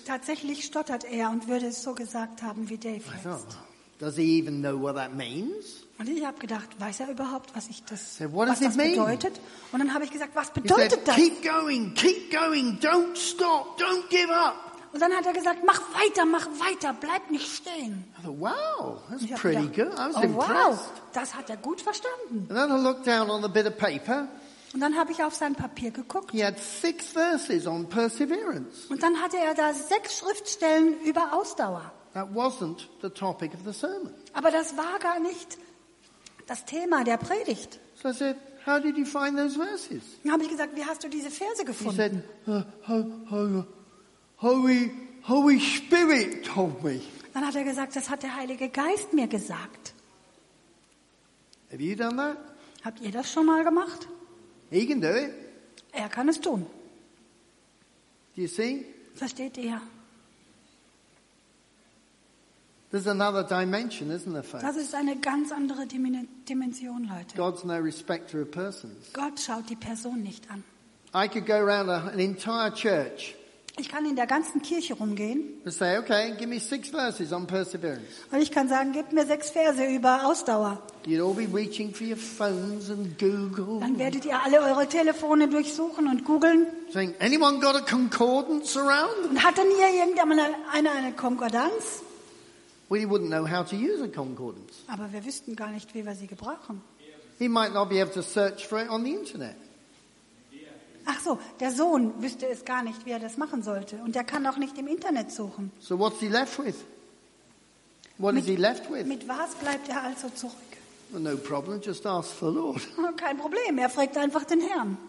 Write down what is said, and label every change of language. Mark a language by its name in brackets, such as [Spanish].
[German] Tatsächlich stottert er und würde es so gesagt haben wie Dave. [English] Does he even know what that means? [German] Und ich habe gedacht, weiß er überhaupt, was ich das, [English] so what [German] was das bedeutet? Und dann habe ich gesagt, was bedeutet [English] said, [German] das? [English] Keep going, keep going, don't stop, don't give up. [German] Und dann hat er gesagt, mach weiter, bleib nicht stehen. [English] Thought, wow, that's pretty good. I was oh, impressed. [German] Wow, das hat er gut verstanden. [English] And then I looked down on the bit of paper. [German] Und dann habe ich auf sein Papier geguckt. [English] He had six verses on perseverance. [German] Und dann hatte er da sechs Schriftstellen über Ausdauer. [English] That wasn't the topic of the sermon. [German] Aber das war gar nicht das Thema der Predigt. [English] So I said, how did you find those verses? [German] Dann habe ich gesagt, wie hast du diese Verse gefunden? [English] He said, Holy Spirit told me. [German] Dann hat er gesagt, das hat der Heilige Geist mir gesagt. [English] Have you done that? [German] Habt ihr das schon mal gemacht? [English] He can do it. [German] Er kann es tun. [English] Do you see? [German] Versteht ihr? [English] There's another dimension, isn't there, folks? [German] Das ist eine ganz andere Dimension, Leute. [English] God's no respecter of persons. [German] Gott schaut die Person nicht an. [English] I could go around an entire church. [German] Ich kann in der ganzen Kirche rumgehen. [English] And say, okay, give me six verses on perseverance. [German] Und ich kann sagen, gib mir sechs Verse über Ausdauer. [English] You'd all be reaching for your phones and Google. [German] Dann werdet ihr alle eure Telefone durchsuchen und googeln. [English] Saying, anyone got a concordance around? [German] Und hat denn hier irgendjemand eine Konkordanz? [English] We wouldn't know how to use a concordance. [German] Aber wir wüssten gar nicht, wie wir sie gebrauchen. [English] He might not be able to search for it on the internet. [German] Ach so, der Sohn wüsste es gar nicht, wie er das machen sollte, und er kann auch nicht im Internet suchen. [English] So what's he left with? What is he left with? [German] Mit was bleibt er also zurück? [English] Well, no problem, just ask the Lord. [German] Kein Problem, er fragt einfach den Herrn.